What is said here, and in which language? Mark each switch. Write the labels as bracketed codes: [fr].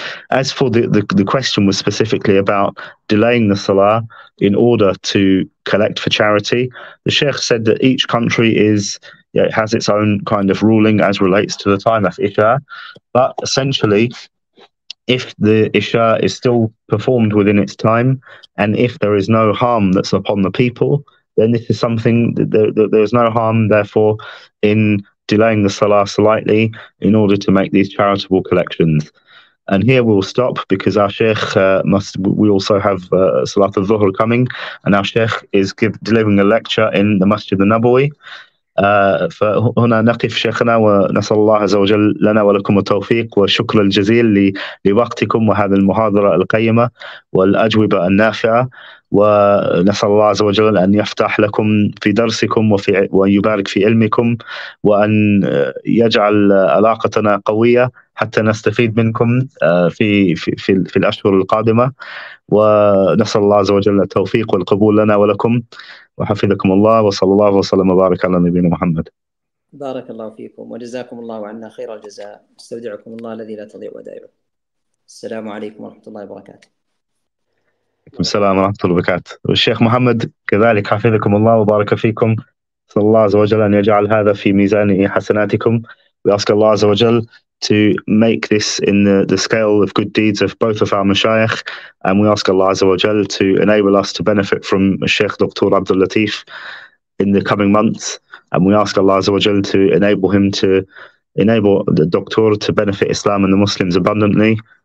[en] As for the question was specifically about delaying the Salah in order to collect for charity, the Sheikh said that each country is, you know, has its own kind of ruling as relates to the time of Isha, but essentially, if the Isha is still performed within its time, and if there is no harm that's upon the people, then this is something that there's no harm, therefore, in delaying the Salah slightly in order to make these charitable collections. And here we'll stop because our Sheikh must, we also have Salat al-Dhuhr coming, and our Sheikh is delivering a lecture in the Masjid al-Nabawi. [ar] فهنا نقف شيخنا ونسأل الله عز وجل لنا ولكم التوفيق والشكر الجزيل لوقتكم وهذا المحاضرة القيمة والأجوبة النافعة ونسأل الله عز وجل أن يفتح لكم في درسكم وفي وأن يبارك في علمكم وأن يجعل علاقتنا قوية حتى نستفيد منكم في في في الأشهر القادمة ونسأل الله عز وجل التوفيق والقبول لنا ولكم وحفظكم الله وصلى الله وسلم وبارك على نبينا محمد. بارك الله فيكم وجزاكم الله عنا خير الجزاء، استودعكم الله الذي لا تضيع ودائعه. السلام عليكم ورحمة الله وبركاته. وعليكم السلام ورحمة الله وبركاته. والشيخ محمد كذلك حفظكم الله وبارك فيكم، صلى الله عز وجل أن يجعل هذا في ميزان حسناتكم. [en] We ask Allah [ar] عز وجل [en] to make this in the scale of good deeds of both of our mashayikh, and we ask Allah Azza wa Jal to enable us to benefit from Sheikh Dr. Abdul Latif in the coming months, and we ask Allah Azza wa Jal to enable him to enable the doctor to benefit Islam and the Muslims abundantly.